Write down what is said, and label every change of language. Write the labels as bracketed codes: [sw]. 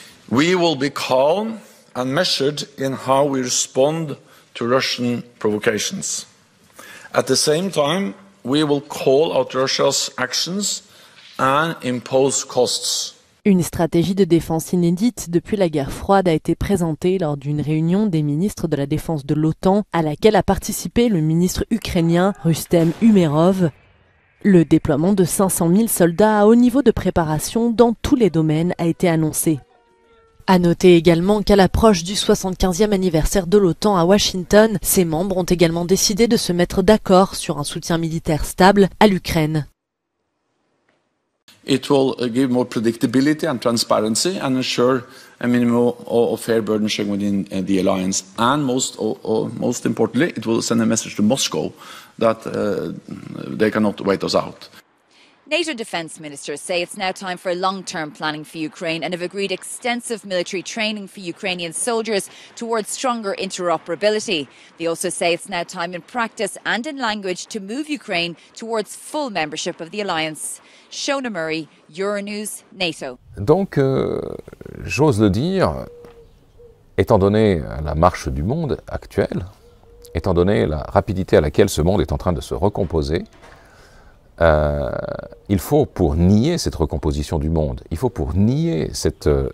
[en] We will be calm and measured in how we respond to Russian provocations. At the same time, we will call out Russia's actions and impose costs. [fr] Une stratégie de défense inédite depuis la guerre froide a été présentée lors d'une réunion des ministres de la défense de l'OTAN, à laquelle a participé le ministre ukrainien Rustem Umerov. Le déploiement de 500 000 soldats à haut niveau de préparation dans tous les domaines a été annoncé. À noter également qu'à l'approche du 75e anniversaire de l'OTAN à Washington, ses membres ont également décidé de se mettre d'accord sur un soutien militaire stable à l'Ukraine. [en] It will give more predictability and transparency and ensure a minimum of fair burden sharing within the alliance. And most importantly, it will send a message to Moscow that they cannot wait us out. NATO defense ministers say it's now time for long-term planning for Ukraine and have agreed extensive military training for Ukrainian soldiers towards stronger interoperability. They also say it's now time in practice and in language to move Ukraine towards full membership of the alliance. Shona Murray, Euronews, NATO. [fr] Donc, j'ose le dire, étant donné la marche du monde actuelle, étant donné la rapidité à laquelle ce monde est en train de se recomposer, il faut, pour nier cette recomposition du monde, il faut pour nier cette